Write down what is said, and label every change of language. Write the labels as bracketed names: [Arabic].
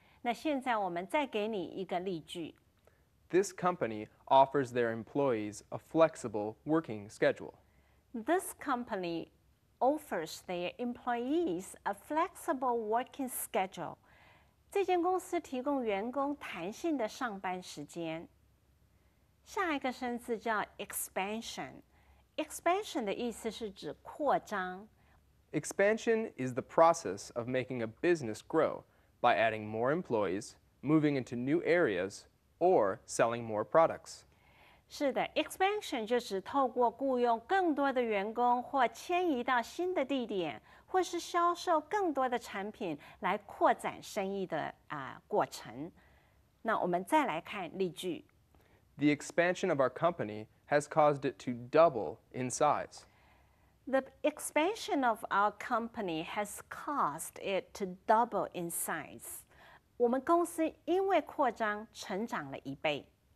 [Chinese] 那现在我们再给你一个例句。 [English] This company offers their employees a flexible working schedule. This company offers their employees a flexible working schedule. [Chinese] 这间公司提供员工弹性的上班时间。下一个生字叫 expansion。Expansion 的意思是指扩张。 [English] Expansion is the process of making a business grow by adding more employees, moving into new areas, or selling more products. [Chinese] 是的 ,expansion 就是透过雇佣更多的员工或迁移到新的地点或是销售更多的产品来扩展生意的过程。那我们再来看例句。 [English] The expansion of our company has caused it to double in size. The expansion of our company has caused it to double in size. [Chinese] 我们公司因为扩张成长了一倍。